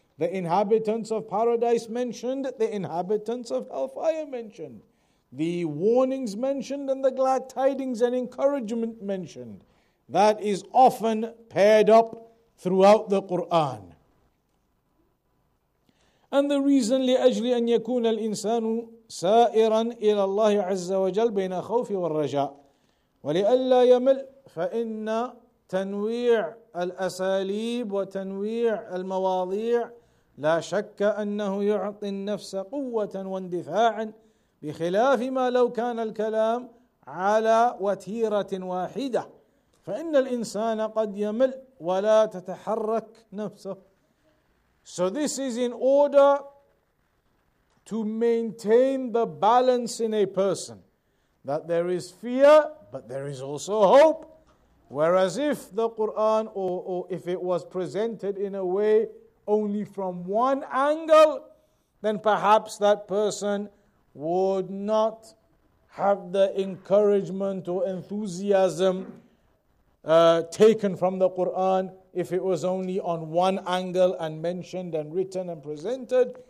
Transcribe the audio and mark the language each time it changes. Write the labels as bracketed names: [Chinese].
[English] The inhabitants of paradise mentioned, the inhabitants of hellfire mentioned. The warnings mentioned and the glad tidings and encouragement mentioned. That is often paired up throughout the Quran. And the reason, [Arabic] لأجل أن يكون الإنسان سائرا إلى الله عز وجل بين الخوف والرجاء ولئلا يمل فإن تنويع الأساليب وتنويع المواضيع لا شك أنه يعطي النفس قوة واندفاعا بخلاف ما لو كان الكلام على وتيرة واحدة فإن الإنسان قد يمل ولا تتحرك نفسه [English] So this is in order to maintain the balance in a person, that there is fear, but there is also hope. Whereas if the Qur'an, or if it was presented in a way only from one angle, then perhaps that person would not have the encouragement or enthusiasm taken from the Qur'an if it was only on one angle and mentioned and written and presented.